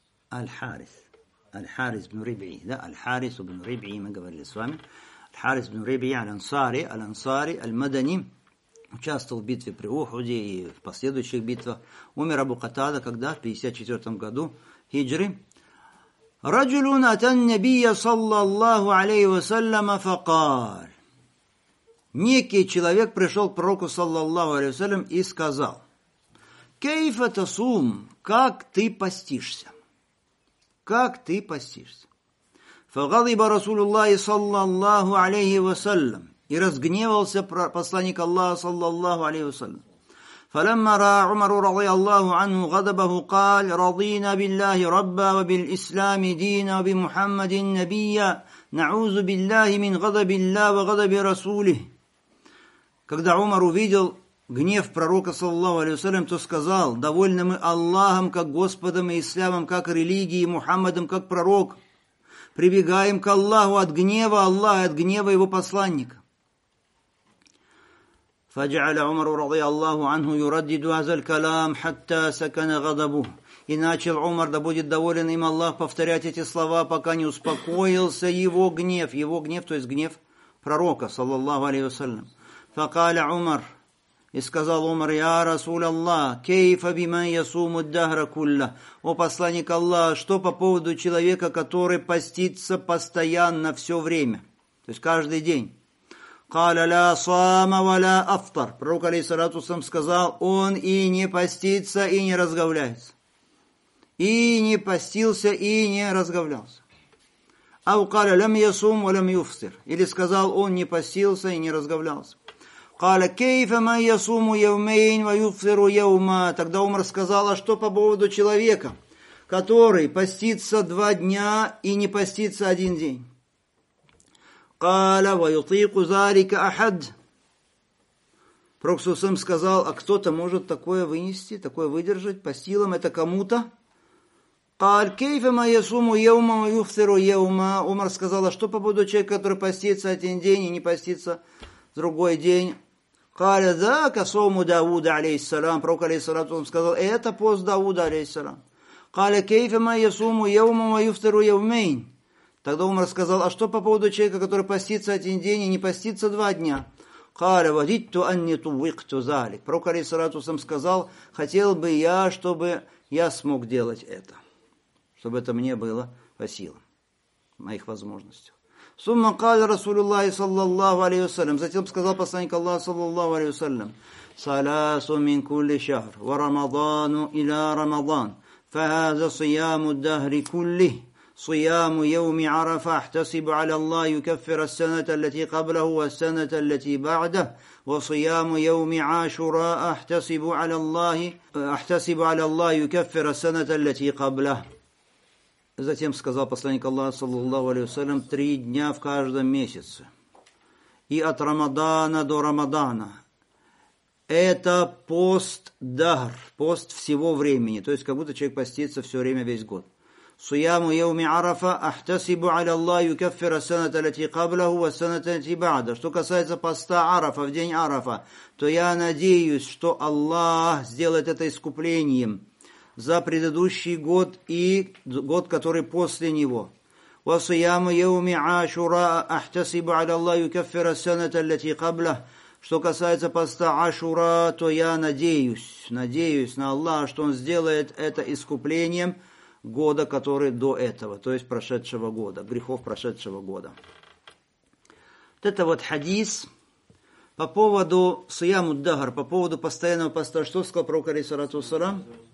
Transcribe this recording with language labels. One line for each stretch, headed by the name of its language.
Russian: Аль-Харис. Аль-Харис бин Риби. Да, Аль-Харис бин Риби, мы говорили с вами. Аль-Харис бин Риби, аль-Ансари, аль-Ансари, аль-Мадани. Участвовал в битве при Ухуде и в последующих битвах. Умер Абу Катада когда? В 54 году хиджры.
Arabic: رجل أتى النبي صلى الله عليه وسلم فقال
Russian: некий человек пришел к пророку саллаллаху алейхи ва саллям и сказал
Arabic: كيف تصوم
Russian: как ты постишься как ты постишься
Arabic: فغضب رسول الله صلى الله عليه وسلم
Russian: и разгневался посланник Аллаха саллаллаху алейхи ва саллям
Arabic: فلما رأى عمر رضي الله عنه غضبه قال رضينا بالله ربا وبالإسلام دينا وبمحمد النبي نعوذ بالله من غضب الله وغضب رسوله.
Russian: Когда Умар увидел гнев пророка саллаллаху алейхи ва саллям, то сказал: довольны мы Аллахом как Господом и Исламом как религией, Мухаммадом как пророк. Прибегаем к Аллаху от гнева Аллаха и от гнева его посланника.
Arabic: فجعل عمر رضي الله عنه يردد هذا الكلام حتى سكن غضبه.
Russian: И начал Умар, да будет доволен им Аллах, повторять эти слова, пока не успокоился его гнев. Его гнев, то есть гнев пророка, саллаллаху алейхи ва саллям.
Arabic: فقال عمر,
Russian: и сказал Умар,
Arabic: يا رسول الله, كيف بمن يصوم الدهر كله.
Russian: О посланник Аллаха, что по поводу человека, который постится постоянно все время, то есть каждый день.
Arabic: قال لا صام ولا افطر.
Russian: Пророк алейхиссалату вассалям сказал, он и не постится, и не разговляется. И не постился, и не разговлялся.
Arabic: Ау каля лям ясум валям юфтир.
Russian: Или сказал, он не постился и не разговлялся.
Arabic: قال كيف من يصوم يومين ويفطر يوما.
Russian: Тогда Умар сказал, а что по поводу человека, который постится два дня и не постится один день?
Arabic: قال ويطيق ذلك احد.
Russian: Проксусом сказал, а кто-то может такое вынести, такое выдержать по силам это кому-то?
Arabic: قال كيف ما يصوم يوما ويفطر يوما.
Russian: Умар сказал, а что по поводу человека, который постится один день и не постится другой день?
Arabic: قال ذاك صوم داوود عليه السلام.
Russian: Пророк алейхиссалам сказал, это пост Дауда алейхиссалам.
Arabic: قال كيف ما يصوم يوما ويفطر يومين.
Russian: Тогда Умар сказал, а что по поводу человека, который постится один день и не постится два дня?
Arabic: Каля вадитту анни тувикту залик.
Russian: Пророк алейхиссалатусам сказал, хотел бы я, чтобы я смог делать это. Чтобы это мне было по силам, моих возможностях.
Arabic: Сумма каля расулюллахи саллаллаху алейхи вассалям.
Russian: Затем сказал посланник Аллаха
Arabic: саллаллаху алейхи вассалям. Саласу мин кулли шахр. Ва рамадану иля рамадан. Фааза сияму дахри кулли. صيام يوم عرفة احتسب على الله يكفر السنة التي قبله والسنة التي بعده وصيام يوم عاشوراء احتسب على الله يكفر السنة التي قبله.
Russian: Затем сказал посланник Аллаха саллаллаху алейхи вассалям: три дня в каждом месяце и от Рамадана до Рамадана это пост дахр, пост всего времени, то есть как будто человек постится все время весь год.
Arabic: صيام يوم عرفة احتسب على الله يكفر السنة التي قبله والسنة التي بعده.
Russian: Что касается поста Арафа, в день Арафа, то я надеюсь, что Аллах сделает это искуплением за предыдущий год и год, который после него.
Arabic: وصيام يوم عاشوراء احتسب على الله يكفر السنة التي قبله.
Russian: Что касается поста Ашура, то я надеюсь на Аллаха, что он сделает это искуплением года, который до этого, то есть прошедшего года, грехов прошедшего года. Вот это вот хадис по поводу
Arabic: сияму дагар,
Russian: по поводу постоянного поста, что сказал пророк алейхиссалату вассалам?